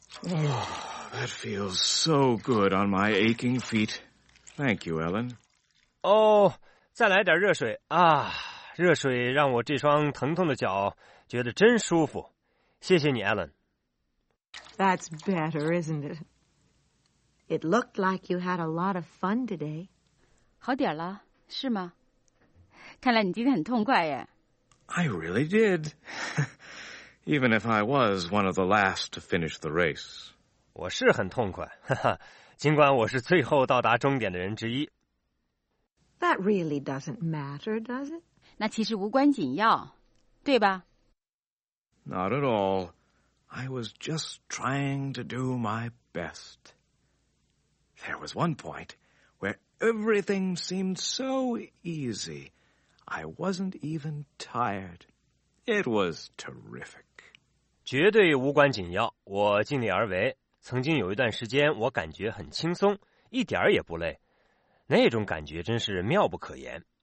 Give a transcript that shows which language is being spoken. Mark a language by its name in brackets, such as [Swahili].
[English] Oh, that feels so good on my aching feet. Thank you, Ellen. [Chinese] Oh, 再来点热水啊！热水让我这双疼痛的脚觉得真舒服。谢谢你 ，Ellen. [English] That's better, isn't it? It looked like you had a lot of fun today. [Chinese] 好点了，是吗？看来你今天很痛快耶。 [English] I really did. Even if I was one of the last to finish the race. [Chinese] 我是很痛快，哈哈，尽管我是最后到达终点的人之一。 [English] That really doesn't matter, does it? [Chinese] 那其实无关紧要，对吧？ [English] Not at all. I was just trying to do my best. There was one point where everything seemed so easy. I wasn't even tired. It was terrific. [Chinese] 绝对无关紧要，我尽力而为。曾经有一段时间我感觉很轻松，一点儿也不累，那种感觉真是妙不可言。